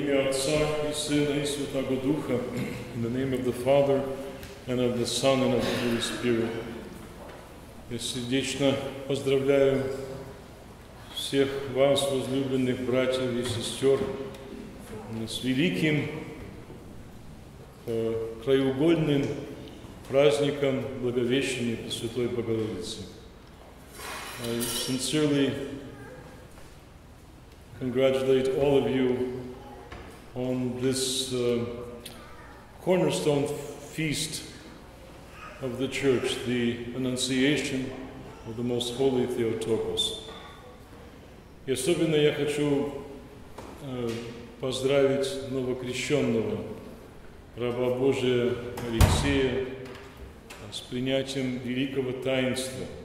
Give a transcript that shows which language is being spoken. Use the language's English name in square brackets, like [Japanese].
[English] Духа, in the name of the Father, and of the Son, and of the Holy Spirit. [Russian] Я сердечно поздравляю всех вас, возлюбленных братьев и сестер, с великим краеугольным праздником Благовещения Пресвятой Богородицы. [English] I sincerely congratulate all of you on this cornerstone feast of the Church, the Annunciation of the Most Holy Theotokos. [Russian] И особенно я хочу поздравить новокрещенного раба Божия Алексея с принятием великого таинства.